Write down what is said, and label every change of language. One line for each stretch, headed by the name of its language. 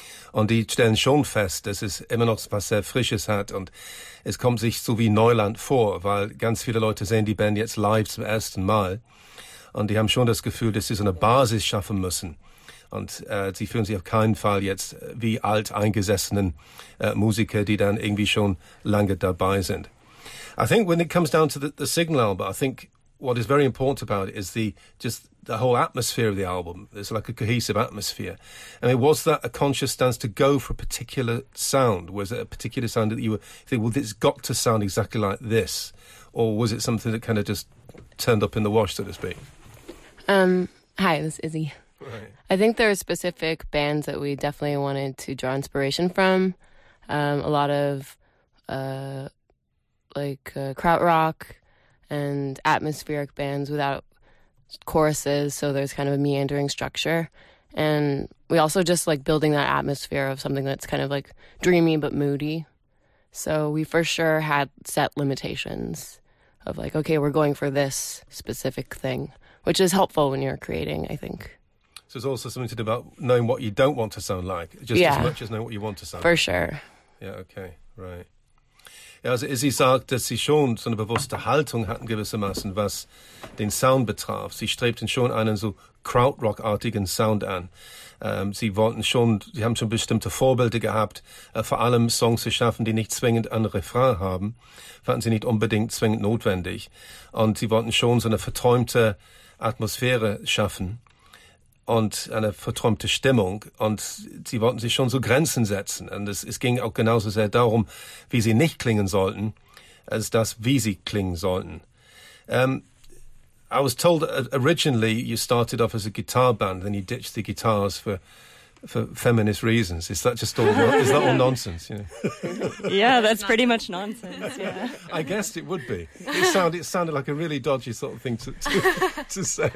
German: Und die stellen schon fest, dass es immer noch was sehr Frisches hat, und es kommt sich so wie Neuland vor, weil ganz viele Leute sehen die Band jetzt live zum ersten Mal, und die haben schon das Gefühl, dass sie so eine Basis schaffen müssen. Und sie fühlen sich auf keinen Fall jetzt wie alteingesessenen Musiker, die dann irgendwie schon lange dabei sind.
English: I think when it comes down to the Signal album, I think what is very important about it is the whole atmosphere of the album. It's like a cohesive atmosphere. I mean, was that a conscious stance to go for a particular sound? Was it a particular sound that you were thinking, well, it's got to sound exactly like this? Or was it something that kind of just turned up in the wash, so to speak? Hi, this is Izzy. I think there are specific bands that we definitely wanted to draw inspiration from. A lot of krautrock and atmospheric bands without choruses, so there's kind of a meandering structure. And we also just like building that atmosphere of something that's kind of like dreamy but moody. So we for sure had set limitations of like, okay, we're going for this specific thing, which is helpful when you're creating, I think. So it's also something to do about knowing what you don't want to sound like, as much as knowing what you want to sound for like. For sure. Yeah, okay, right.
German: Ja, also Izzy sagt, dass sie schon so eine bewusste Haltung hatten gewissermaßen, was den Sound betraf. Sie strebten schon einen so Krautrock-artigen Sound an. Sie haben schon bestimmte Vorbilder gehabt, vor allem Songs zu schaffen, die nicht zwingend einen Refrain haben. Fanden sie nicht unbedingt zwingend notwendig. Und sie wollten schon so eine verträumte Atmosphäre schaffen. Und eine verträumte Stimmung. Und sie wollten sich schon so Grenzen setzen. Und es ging auch genauso sehr darum, wie sie nicht klingen sollten, als das, wie sie klingen sollten.
English: I was told originally you started off as a guitar band, then you ditched the guitars for feminist reasons. Is that just all, is that all nonsense? You know? Yeah, that's pretty much nonsense, yeah. I guessed it would be. It sounded like a really dodgy sort of thing to say.